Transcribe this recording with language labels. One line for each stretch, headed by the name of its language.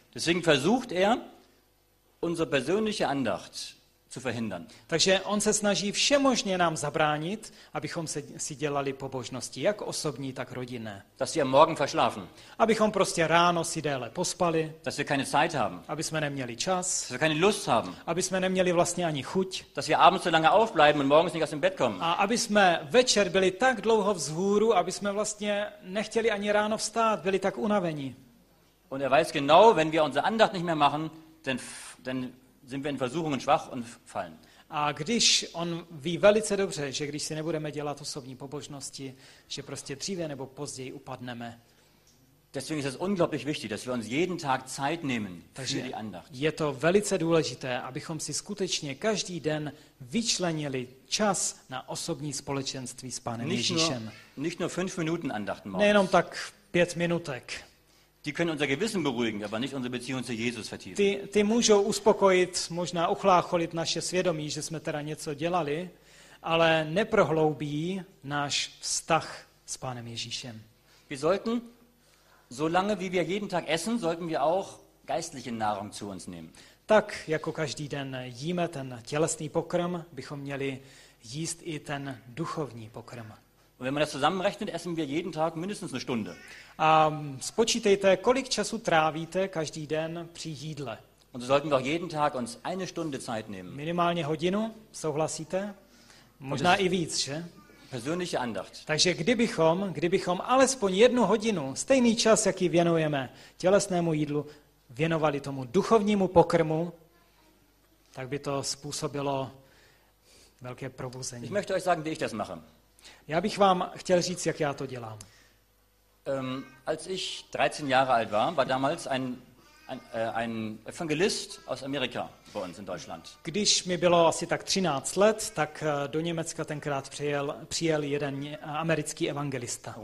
German: Deswegen versucht er unsere persönliche Andacht zu verhindern.
Czech: Takže on se snaží všemožně nám zabránit, abychom si dělali pobožnosti, jak osobní, tak rodinné.
German: Dass wir am Morgen verschlafen.
Czech: Abychom prostě ráno si déle pospali.
German: Dass wir keine Zeit haben.
Czech: Aby jsme neměli čas.
German: Dass wir keine Lust haben.
Czech: Aby jsme neměli vlastně ani chuť.
German: Dass wir abends so lange aufbleiben und morgens nicht aus dem Bett kommen.
Czech: A aby jsme večer byli tak dlouho vzhůru, aby jsme vlastně nechtěli ani ráno vstát, byli tak unavení.
German: Und er weiß genau, wenn wir unsere Andacht nicht mehr machen, dann sind wir in Versuchungen schwach und fallen.
Czech: A když on ví velice dobře, že když si nebudeme dělat osobní pobožnosti, že prostě dříve nebo později upadneme.
German: Deswegen ist es unglaublich wichtig, dass wir uns jeden Tag Zeit nehmen für die Andacht.
Czech: Je to velice důležité, abychom si skutečně každý den vyčlenili čas na osobní společenství s Pánem Ježíšem.
German: Nicht nur 5 Minuten Andacht morgens.
Czech: Nejenom tak 5 minutek.
German: Die können unser Gewissen beruhigen, aber nicht unsere Beziehung zu Jesus vertiefen.
Czech: Ty můžou uspokojit, možná uchlácholit naše svědomí, že jsme teda něco dělali, ale neprohloubí náš vztah s Pánem Ježíšem.
German: Wir sollten, solange wie wir jeden Tag essen, sollten wir auch geistliche Nahrung zu uns nehmen.
Czech: Tak jako každý den jíme ten tělesný pokrm, bychom měli jíst i ten duchovní pokrm.
German: Und wenn man das zusammenrechnet, essen wir jeden Tag mindestens eine Stunde.
Czech: Spočítejte, kolik času trávíte každý den při jídle.
German: Und so sollten wir auch jeden Tag uns eine Stunde Zeit nehmen.
Czech: Minimálně hodinu, souhlasíte? Možná i víc, že?
German: Persönliche Andacht.
Czech: Takže kdybychom alespoň jednu hodinu, stejný čas, jaký věnujeme tělesnému jídlu, věnovali tomu duchovnímu pokrmu, tak by to způsobilo velké probuzení.
German: Ich möchte euch sagen, wie ich das mache.
Czech: Já bych vám chtěl říct, jak já to dělám.
German: Als ich 13 Jahre alt war, war damals ein Evangelist aus Amerika bei uns in Deutschland.
Czech: Když mi bylo asi tak 13 let, tak do Německa tenkrát přijel jeden americký evangelista.